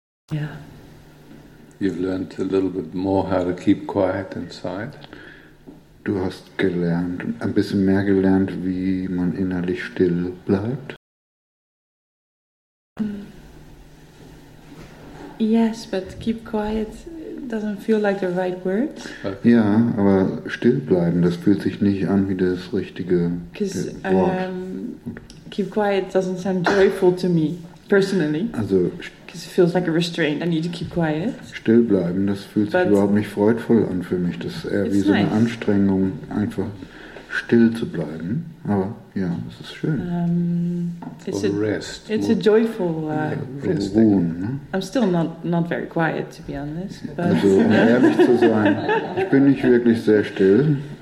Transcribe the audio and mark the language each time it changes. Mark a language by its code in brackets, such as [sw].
[en] Yeah. You've learned a little bit more how to keep quiet inside. [de] Du hast gelernt, ein bisschen mehr gelernt, wie man innerlich still bleibt. [en] Yes, but keep quiet doesn't feel like the right word. Okay. [de] Ja, aber still bleiben, das fühlt sich nicht an wie das richtige Wort. [en] Keep quiet doesn't sound joyful to me personally. Also, because it feels like a restraint. I need to keep quiet. [de] Still bleiben, das fühlt sich überhaupt nicht freudvoll an für mich. Das ist eher wie so eine Anstrengung, einfach still zu bleiben. Aber ja, es ist schön. [en] It's a rest. It's a joyful [de] Ruhen. [en] I'm still not very quiet, to be honest. But [de] also, um ehrlich zu sein, ich bin nicht wirklich sehr still.